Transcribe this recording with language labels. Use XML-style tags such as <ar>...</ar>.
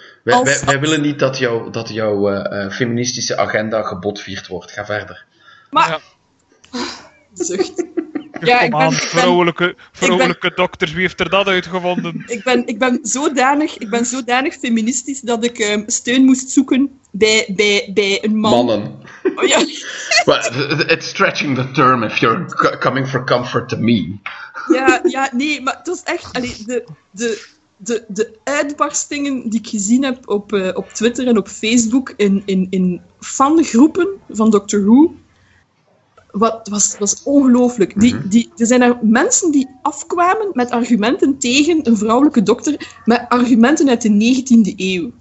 <nl>Wij willen niet dat jouw feministische agenda gebotvierd wordt. Ga verder. Maar... Zucht. Ja, kom aan, vrouwelijke dokters, wie heeft er dat uitgevonden? Ik ben zodanig feministisch dat ik steun moest zoeken bij een man. Mannen. Oh, ja.</nl> <en>Well, it's stretching the term if you're coming for comfort to me.</en> <nl>Ja, nee, maar het was echt... Allee, de uitbarstingen die ik gezien heb op Twitter en op Facebook in fangroepen van Doctor Who... Was ongelooflijk. Er zijn er mensen die afkwamen met argumenten tegen een vrouwelijke dokter, met argumenten uit de 19e eeuw.</nl>